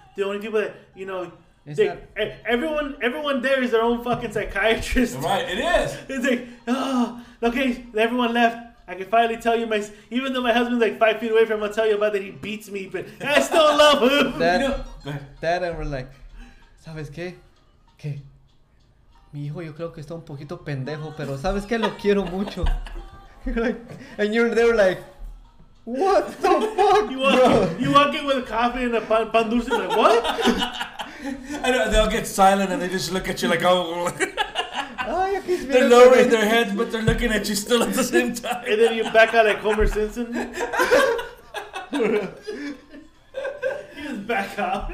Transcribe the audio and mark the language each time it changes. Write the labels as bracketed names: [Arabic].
[English] The only people that you know. Everyone there is their own fucking psychiatrist. Right, it is. It's like, oh, okay, everyone left. I can finally tell you even though my husband's like 5 feet away from him, I'll tell you about that he beats me, but I still love him. Dad and we're like, [Spanish] ¿sabes qué? ¿Qué? Mi hijo yo creo que está un poquito pendejo, pero ¿sabes qué? Lo quiero mucho. [English] And you're there like, what the fuck, you walk in with a coffee and a pan dulce and like, what? I know, they all get silent and they just look at you like, oh. They're lowering their heads, but they're looking at you still at the same time. And then you back out like Homer Simpson. You just back out.